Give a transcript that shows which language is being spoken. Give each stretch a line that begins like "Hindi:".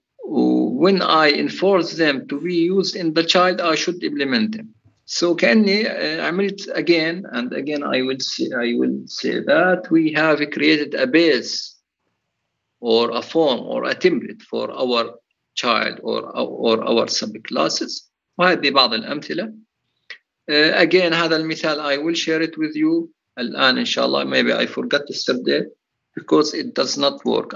English: When I enforce them to be used in the child, I should implement them. So can I عملت again and again I will say that we have created a base or a form or a template for our child or our subclasses.
Arabic: وهذه بعض الأمثلة.
English: Again
Arabic: هذا المثال
English: I will share it with you
Arabic: الآن إن شاء الله.
English: Maybe I forgot yesterday because it does not work.